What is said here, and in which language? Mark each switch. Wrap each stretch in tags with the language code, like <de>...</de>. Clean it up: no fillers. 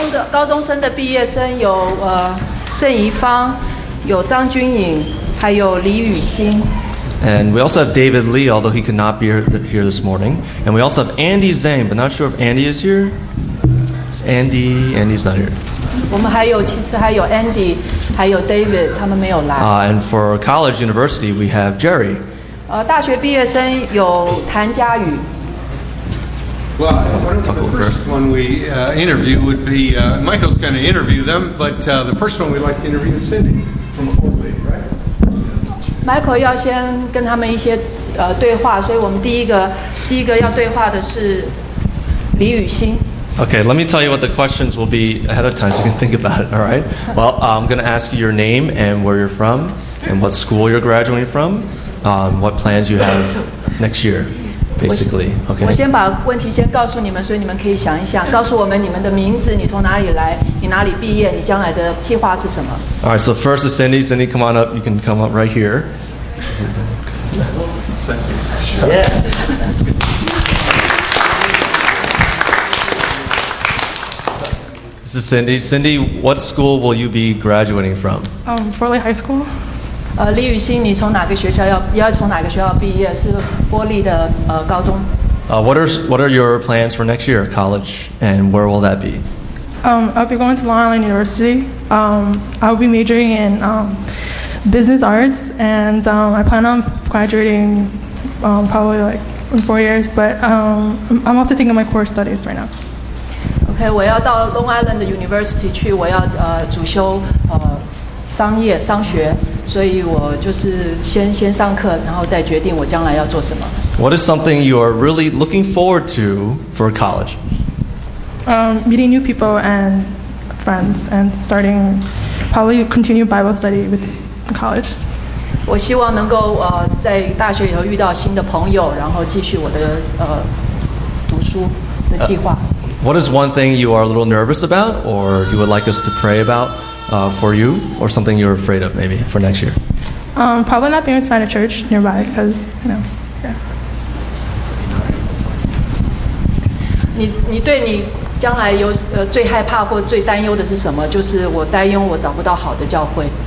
<zh>高中生的毕业生有盛怡芳，有张君颖，还有李雨欣。</zh> <en>And we also have David Lee, although he could not be here this morning. And we also have Andy Zane, but not sure if Andy is here. It's Andy. Andy's not here.</en> <zh>我们还有，其实还有 Andy, 还有 David, 他们没有来。</zh> <en>And for college, university, we have Jerry.</en> <zh>大学毕业生有谭佳宇。</zh> <en>Well, the first one we interview would be, Michael's going to interview them, but the first one we'd like to interview is Cindy from Fort Lee, right?</en> <zh>Michael 要先跟他们一些对话，所以我们第一个要对话的是李雨欣。</zh> <en>Okay, let me tell you what the questions will be ahead of time so you can think about it, all right? Well, I'm going to ask you your name and where you're from and what school you're graduating from, what plans you have next year. Basically, okay.</en> <zh>我先把问题先告诉你们，所以你们可以想一想，告诉我们你们的名字，你从哪里来，你哪里毕业，你将来的计划是什么。</zh> <en>All right, so first is Cindy. Cindy, come on up. You can come up right here. This is Cindy. Cindy, what school will you be graduating from? Fort Lee High School.</en> <zh>李雨欣，你从哪个学校要从哪个学校毕业？是波利的高中。</zh> <en>What are your plans for next year, college, and where will that be? I'll be going to Long Island University. I'll be majoring in business arts, and I plan on graduating probably like in 4 years. But I'm also thinking of my core studies right now.</en> <zh>Okay, 我要到 Long Island University 去，我要主修商业商学。所以我就是先上课，然后再决定我将来要做什么。</zh> <en>What is something you are really looking forward to for college? Meeting new people and friends, and starting probably continue Bible study with college.</en> <zh>我希望能够在大学以后遇到新的朋友，然后继续我的读书的计划。</zh> <en>What is one thing you are a little nervous about, or you would like us to pray about? For you, or something you're afraid of, maybe for next year. Probably not being able to find a church nearby, because you know.</en> <zh>You 对你将来有最害怕或最担忧的是什么？就是我担忧我找不到好的教会。</zh>